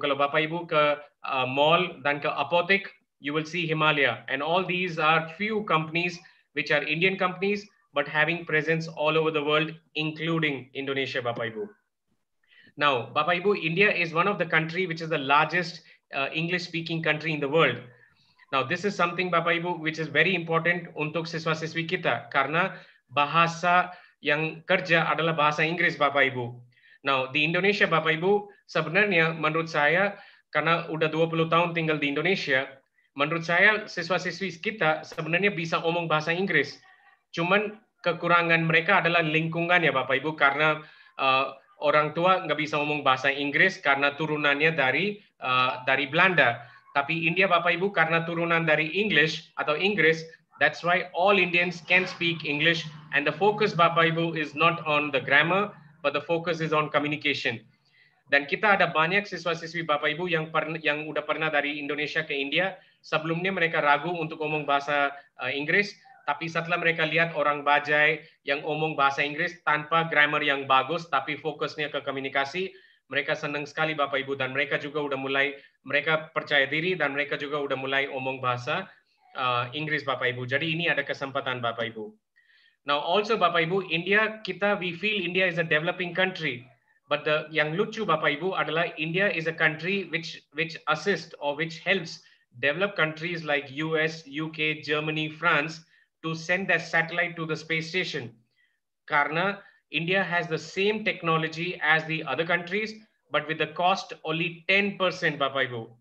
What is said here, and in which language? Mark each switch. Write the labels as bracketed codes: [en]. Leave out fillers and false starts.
[id] Kalau Bapa Ibu ke mall dan ke apotek, [en] you will see Himalaya. And all these are few companies which are Indian companies, but having presence all over the world, including Indonesia, Bapa Ibu. Now, Bapa Ibu, India is one of the country which is the largest English-speaking country in the world. Now, this is something, Bapa Ibu, which is very important [id] untuk siswa-siswi kita, karena bahasa yang kerja adalah bahasa Inggris, Bapa Ibu. [en] Now, [id] di Indonesia, Bapa Ibu, sebenarnya menurut saya, karena udah 20 tahun tinggal di Indonesia, menurut saya siswa-siswi kita sebenarnya bisa omong bahasa Inggris. Cuman kekurangan mereka adalah lingkungan ya Bapak Ibu, karena orang tua nggak bisa ngomong bahasa Inggris karena turunannya dari Belanda. Tapi India Bapak Ibu karena turunan dari English atau Inggris, [en] that's why all Indians can speak English. And the focus Bapak Ibu is not on the grammar, but the focus is on communication. [id] Dan kita ada banyak siswa-siswi Bapak Ibu yang udah pernah dari Indonesia ke India, sebelumnya mereka ragu untuk ngomong bahasa Inggris. Tapi setelah mereka lihat orang bajai yang omong bahasa Inggris tanpa grammar yang bagus, tapi fokusnya ke komunikasi, mereka senang sekali Bapak Ibu, dan mereka juga udah mulai, mereka percaya diri, dan mereka juga udah mulai omong bahasa Inggris Bapak Ibu. Jadi ini ada kesempatan Bapak Ibu. [en] Now also Bapak Ibu, India, [id] kita, [en] we feel India is a developing country. But the [id] yang lucu Bapak Ibu adalah [en] India is a country which assist or which helps developed countries like US, UK, Germany, France, to send their satellite to the space station. [id] Karena [en] India has the same technology as the other countries, but with the cost only 10%, Bapa Ibu.